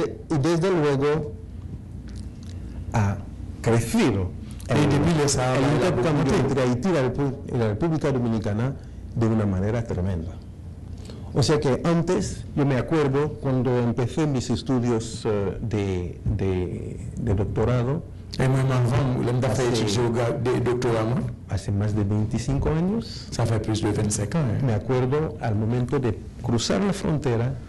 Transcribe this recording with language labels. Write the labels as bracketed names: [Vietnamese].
[Spanish] Y desde luego ha crecido el intercambio entre Haití y la República Dominicana de una manera tremenda. O sea que antes, yo me acuerdo cuando empecé mis estudios de doctorado. [French] Et moi, avant, je me suis fait étudier au doctorat. [Spanish] Hace más de 25 años. [French] Ça fait plus de 25 ans. [Spanish] Me acuerdo al momento de cruzar la frontera.